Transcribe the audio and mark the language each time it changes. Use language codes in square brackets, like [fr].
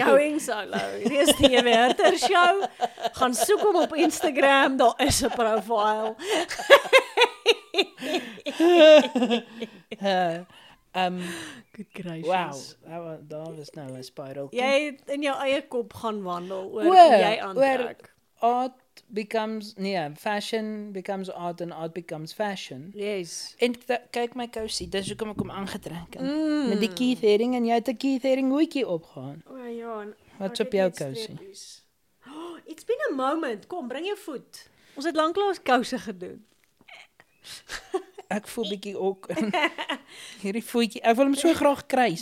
[en] Going so low. [af] Hier is die Jewe Herter show. Gaan soek hom op Instagram. Daar is 'n profile. [en] Good gracious. [af] Wow. Daar was nou 'n spiral. Jy het in jou eie kop gaan wandel oor jy aantrek. [en] Art becomes, fashion becomes art and art becomes fashion. Yes. [af] En kyk my kousie, dis hoekom ek hom aangetrek het. Met die Keith Haring en jy het 'n Keith Haring hoekie opgehaan. O ja. Wat is op jou kousie? [en] Oh, it's been a moment. [af] Kom, bring jou voet. Ons het lanklaas kouse gedoen. Ek voel bietjie ook. Hierdie voetjie, ek wil hom so graag kruis.